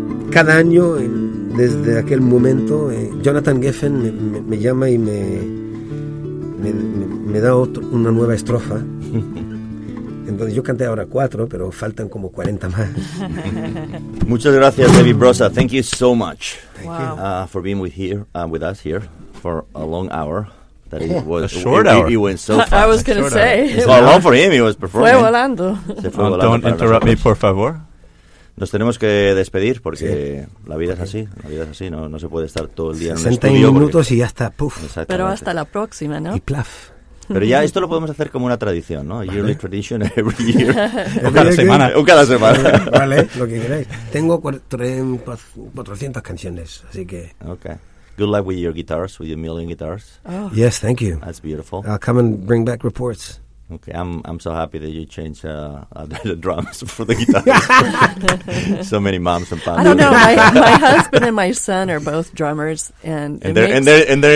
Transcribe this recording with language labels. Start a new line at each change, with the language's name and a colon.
Spanish: cada año desde aquel momento Jonathan Geffen me llama y me da una nueva estrofa, entonces yo canté ahora 4 pero faltan como 40 más. Muchas gracias David Brosa,
English: thank you so much. Thank you. For being with here with us here for a long hour. That it was a short hour. He went so fast. I was going to say it's not long for him, he was performing.
Spanish: Fue volando.
English: Don't interrupt me
Spanish: por favor. Nos tenemos que despedir porque sí. La vida es así, la vida es así, no se puede estar todo el día en un estudio. 60 minutos y ya está, puf. Pero hasta la próxima, ¿no? Y plaf. Pero ya esto lo podemos hacer como una tradición, ¿no? Vale.
English: Yearly tradition every year.
Spanish: O cada semana. Vale, lo que queráis. Tengo 400 canciones, así que...
English: Okay. Good luck with your guitars, with your million guitars. Oh. Yes, thank you. That's beautiful. I'll come and bring back reports. Okay, I'm so happy that you changed the drums for the guitar. So many moms and pops. I don't know. My husband and my son are both drummers, and they're